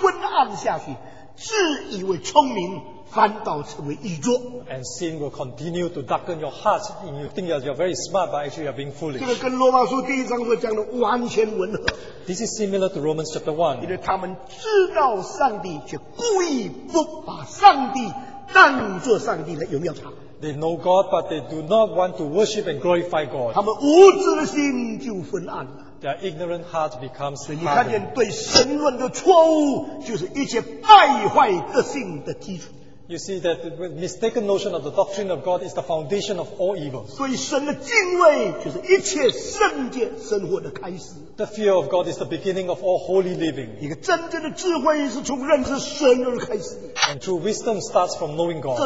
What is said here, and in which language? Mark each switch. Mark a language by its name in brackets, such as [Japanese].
[Chinese] 所以继续不断使你的心昏暗下去，自以为聪明。 [English] And sin will continue to darken your heart, and you think that you're very smart, but actually you're being foolish. [Chinese] 这个跟罗马书第一章所讲的完全吻合。 [English] This is similar to Romans chapter 1. [Chinese] 因为他们知道上帝，却故意不把上帝当作上帝来荣耀他。 [English] They know God, but they do not want to worship and glorify God. [Chinese] 他们无知的心就昏暗了。 [English] Their ignorant heart becomes hardened. [Chinese] 所以你看见对神论的错误，就是一切败坏的心的基础。 [English] You see that the mistaken notion of the doctrine of God is the foundation of all evils. The fear of God is the beginning of all holy living. And true wisdom starts from knowing God.